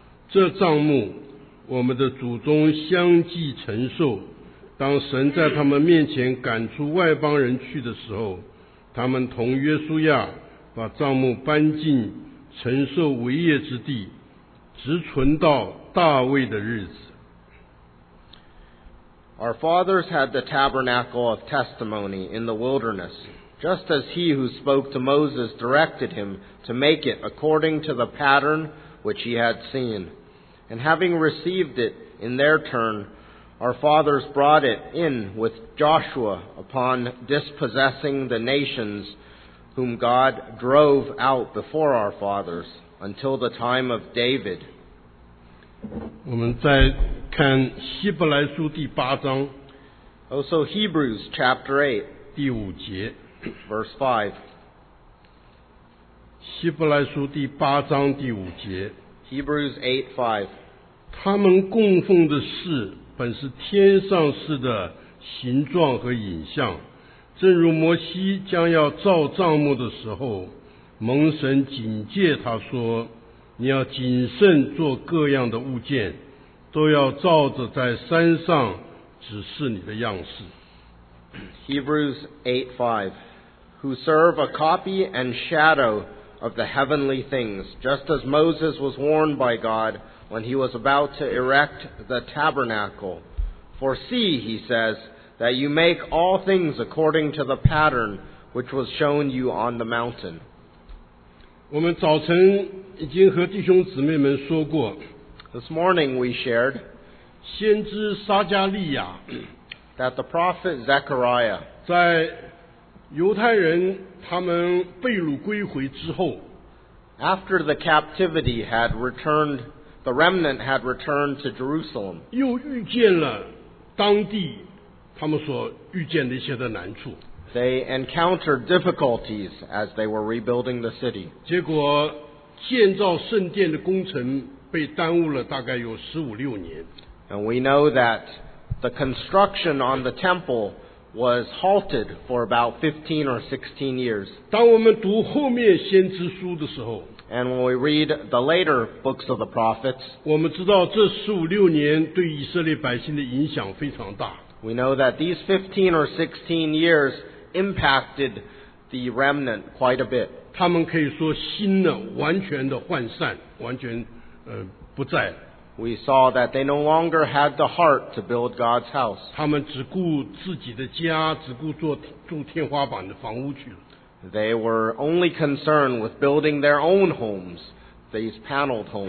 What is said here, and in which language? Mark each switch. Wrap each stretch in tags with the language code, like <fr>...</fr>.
<zh>这帐幕我们的祖宗相继承受，当神在他们面前赶出外邦人去的时候，他们同约书亚把帐幕搬进承受为业之地，直存到大卫的日子。</zh> <en>Our fathers had the tabernacle of testimony in the wilderness, just as he who spoke to Moses directed him to make it according to the patternwhich he had seen. And having received it in their turn, our fathers brought it in with Joshua upon dispossessing the nations whom God drove out before our fathers until the time of David.</en> <zh>我们再看希伯来书第八章。</zh> <en>Also Hebrews chapter 8.</en> <zh>第五节。</zh> <en>Verse 5.</en> <zh>希伯来书第八章第五节。</zh> <en>Hebrews 8:5.</en> <zh>他们供奉的事本是天上事的形状和影像，正如摩西将要造帐幕的时候，蒙神警戒他说，你要谨慎做各样的物件，都要照着在山上指示你的样式。</zh> <en>Hebrews 8:5. Who serve a copy and shadow of the heavenly things, just as Moses was warned by God when he was about to erect the tabernacle. For see, he says, that you make all things according to the pattern which was shown you on the mountain.</en> <zh>我们早晨已经和弟兄姊妹们说过。</zh> <en>This morning we shared</en> <zh>先知撒加利亚</zh> <en>that the prophet Zechariah</en> <zh>在犹太人他们被掳归回之后，</zh> <en>After the captivity had returned, the remnant had returned to Jerusalem.</en> <zh>又遇见了当地他们所遇见的一些的难处。</zh> <en>They encountered difficulties as they were rebuilding the city.</en> <zh>结果建造圣殿的工程被耽误了大概有十五六年。</zh> <en>And we know that the construction on the temple was halted for about 15 or 16 years.</en> <zh>当我们读后面先知书的时候，</zh> <en>And when we read the later books of the prophets,</en> <zh>我们知道这十五六年对以色列百姓的影响非常大。</zh> <en>We know that these 15 or 16 years impacted the remnant quite a bit.</en> <zh>他们可以说心呢完全的涣散，完全不在了。</zh> <en>We saw that they no longer had the heart to build God's house.</en> <zh>他们只顾自己的家，只顾做住天花板的房屋去了。</zh> <en>They were only concerned with building their own homes, these paneled homes.</en>